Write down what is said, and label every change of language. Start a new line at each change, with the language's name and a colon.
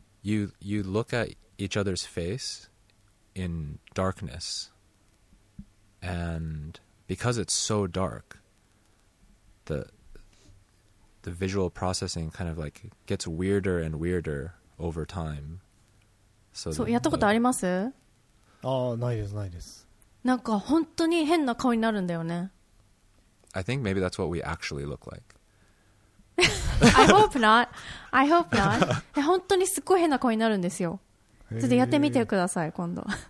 English: You look at each other's face in darkness. And because it's so dark, the visual processing kind of like gets weirder and weirder over time.
Japanese: So やったことあります？ああ、ないです、ないです。なんか本当に変な顔になるんだよね。
English: I think maybe that's what we actually look like. I hope not. I hope not.
Japanese: 本当にすっごい変な顔になるんですよ。ちょっとやってみてください、今度。